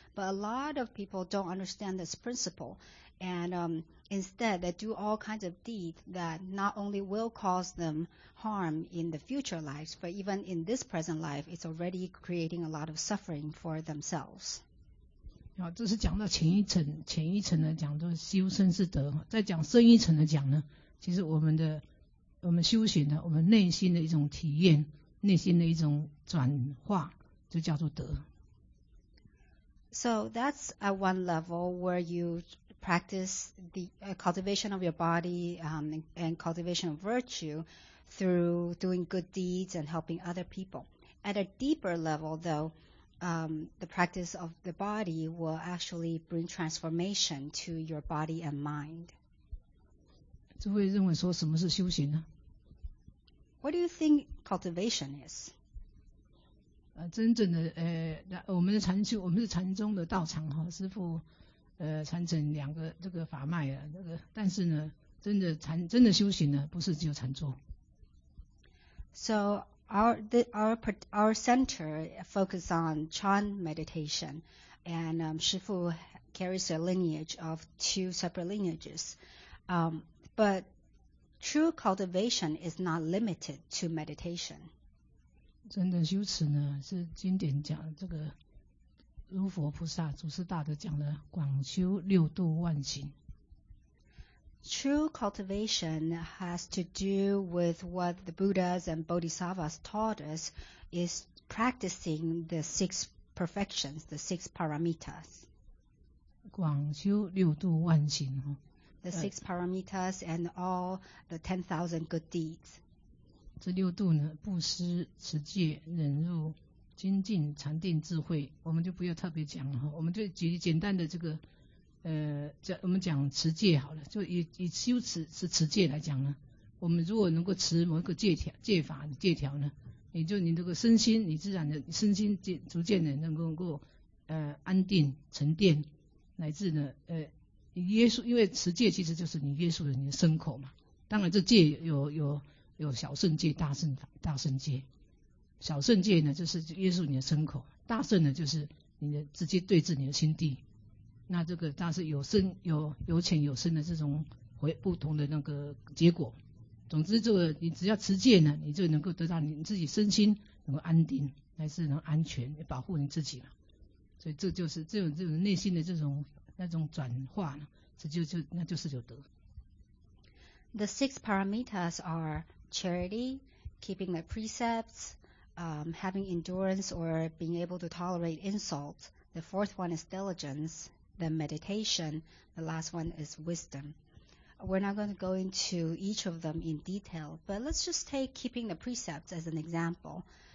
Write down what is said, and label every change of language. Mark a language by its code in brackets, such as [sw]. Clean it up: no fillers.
[en] But a lot of people don't understand this principle. And instead, they do all kinds of deeds that not only will cause them harm in the future lives, but even in this present life, it's already creating a lot of suffering for themselves. [zh] 好，这是讲到前一层的讲，就是修身是德。再讲深一层的讲呢，其实我们修行的，我们内心的一种体验，内心的一种转化，就叫做德。 [en] So that's at one level where you practice the cultivation of your body and cultivation of virtue through doing good deeds and helping other people. At a deeper level, though, the practice of the body will actually bring transformation to your body and mind. [zh] 诸位认为说什么是修行呢？ [en] What do you think cultivation is? [zh] 真正的我们的禅修，我们是禅宗的道场，师父传承两个这个法脉啊，这个，但是呢，真的修行呢，不是只有禅坐。 [en] So our center focus on Chan meditation, and Shifu carries a lineage of two separate lineages, but true cultivation is not limited to meditation. [zh] 真的修持呢，是经典讲这个如佛菩萨祖师大德讲的广修六度万行。 [en] True cultivation has to do with what the Buddhas and Bodhisattvas taught us, is practicing the six perfections, the six paramitas. [zh] 广修六度万行。 [en] The six paramitas and all the 10,000 good deeds. [zh] 这六度呢，布施、持戒、忍辱、精进、禅定、智慧，我们就不要特别讲了，我们就举简单的这个我们讲持戒好了，就 以修持是持戒来讲呢，我们如果能够持某一个戒条、戒法、戒条呢，你就你这个身心，你自然的身心逐渐的能够安定沉淀，乃至呢耶稣，因为持戒其实就是你耶稣的你的身口嘛。当然这戒有小圣戒、大圣戒，小圣戒呢就是耶稣你的身口，大圣呢就是你的直接对治你的心地。那这个当然有深有浅有深的这种回不同的那个结果。总之，这个你只要持戒呢，你就能够得到你自己身心能够安定，还是能安全保护你自己了。所以这就是这种内心的那种转化呢，这就是有德。 [en] The six parameters are charity, keeping the precepts, having endurance or being able to tolerate insult. The fourth one is diligence. The meditation, the last one is wisdom. We're not going to go into each of them in detail, but let's just take keeping the precepts as an example.